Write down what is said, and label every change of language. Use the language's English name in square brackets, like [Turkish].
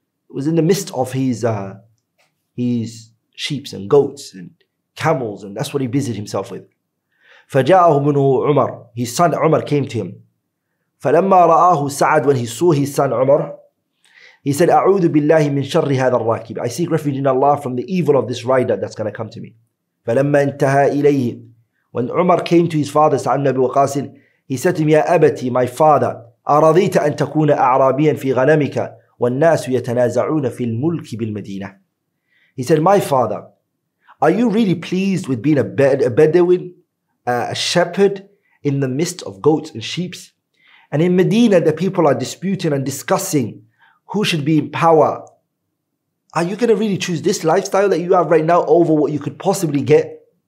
[English] It was in the midst of his sheep and goats and camels, and that's what he busied himself with. [Arabic] فجاءه منه عمر. [English] His son Umar came to him. [Arabic] فلما رآه سعد, [English] when he saw his son Umar, he said, [Arabic] أعوذ بالله من شر هذا الراكب. [English] I seek refuge in Allah from the evil of this rider that's going to come to me. [Arabic] فلما انتهى إليه, [English] when Umar came to his father, سعد بن أبي وقاص, he said to him, [Arabic] يا أبتي, [English] my father, [Arabic] أرضيت أن تكون أعرابيا في غنمك والناس يتنازعون في الملك بالمدينة. [English] He said, my father, are you really pleased with being a Bedouin, a shepherd in the midst of goats and sheep? And in Medina, the people are disputing and discussing who should be in power. Are you going to really choose this lifestyle that you have right now over what you could possibly get?